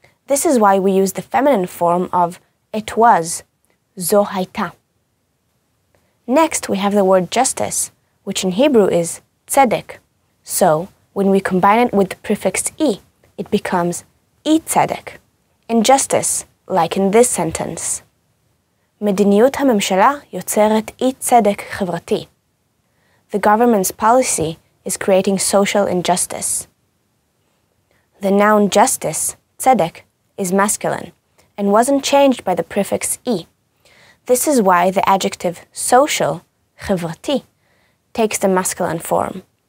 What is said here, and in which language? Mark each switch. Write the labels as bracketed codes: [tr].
[en] This is why we use the feminine form of it was, zo hayta. Next, we have the word justice, which in Hebrew is tzedek. So, when we combine it with the prefix I, it becomes I tzedek. Injustice, like in this sentence. [he] מדיניות הממשלה יוצרת אי צדק חברתי. [en] The government's policy is creating social injustice. The noun justice, tzedek, is masculine and wasn't changed by the prefix I. This is why the adjective social, חברתי, takes the masculine form.